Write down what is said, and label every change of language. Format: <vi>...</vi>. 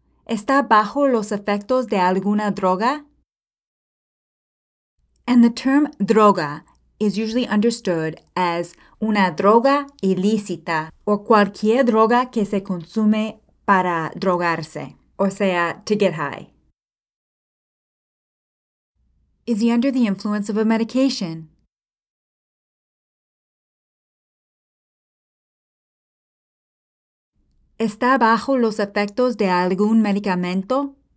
<es>¿Está bajo los efectos de alguna droga?</es> <en>And the term droga is usually understood as una droga ilícita</en> <es>or cualquier droga que se consume para drogarse,</es> <en>o sea, to get high. Is he under the influence of a medication?</en> <es>¿Está bajo los efectos de algún medicamento?</es>